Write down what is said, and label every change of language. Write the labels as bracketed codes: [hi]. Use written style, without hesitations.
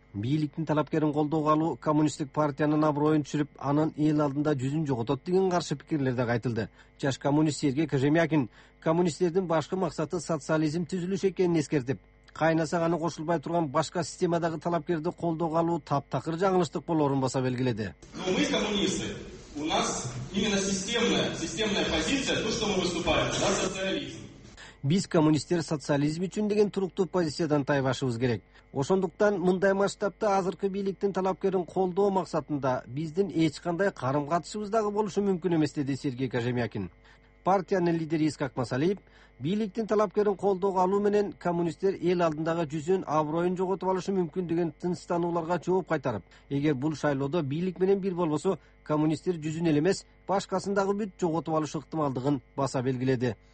[ky] бийликтин талапкерин колдоого алуу коммунисттик партиянын аброюн түшүрүп, анын эл алдында жүзүн жоготот деген каршы пикирлер да айтылды. Жаш коммунист Сергей Кожемякин коммунисттердин башкы максаты социализм түзүлүш экенин эскертип, кайнаса аны кошулбай турган башка системадагы талапкерди колдоого алуу таптакыр жаңылыштык болорун баса белгиледи. [ru] Мы коммунисты. У нас именно системная позиция, то, что мы выступаем за социализм. [ky] Биз коммунисттер социализм үчүн деген туруктуу позициядан тайбашыбыз керек. Ошондуктан мындай масштабта азыркы бийликтин талапкерин колдоо максатында биздин эч кандай карым катышыбыз дагы болушу мүмкүн эмес, деди Сергей Кожемякин. Партиянын лидери Искак Масалиев бийликтин талапкерин колдоого алуу менен коммунисттер эл алдындагы жүзүн, аброюн жоготуп алышы мүмкүн деген тынчтанууларга жооп кайтарып, эгер бул шайлоодо бийлик менен бир болбосо коммунисттер жүзүн эле эмес, башкасын дагы бүт жоготуп алышы ыктымалдыгын баса белгиледи.